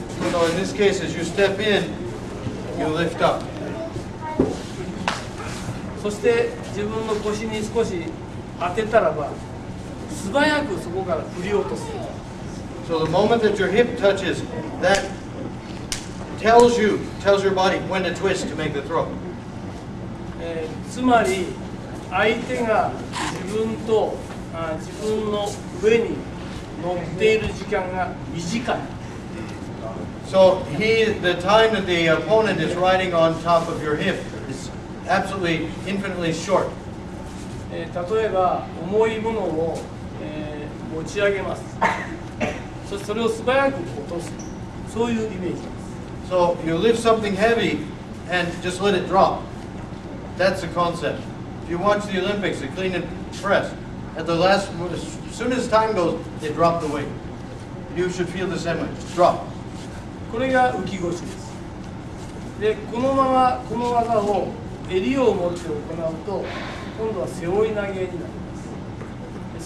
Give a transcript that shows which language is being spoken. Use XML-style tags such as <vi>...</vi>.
<en>So in this case, as you step in, you lift up.</en> <ja>そして自分の腰に少し当てたらば素早くそこから振り落とす。</ja> <en>So the moment that your hip touches, that tells your body when to twist to make the throw.</en> <ja>つまり相手が自分と自分の上に乗っている時間が短い。</ja> <en>So the time that the opponent is riding on top of your hip is absolutely infinitely short.</en> <ja>例えば重いものを持ち上げます。そしてそれを素早く落とす。そういうイメージです。</ja> <en>So you lift something heavy and just let it drop. That's the concept. If you watch the Olympics, the clean and press, at the last, as soon as time goes, they drop the weight. You should feel the same way. Drop.</en> <ja>これが浮き腰です。で、このままこの技を襟を持って行うと、今度は背負い投げになります。</ja>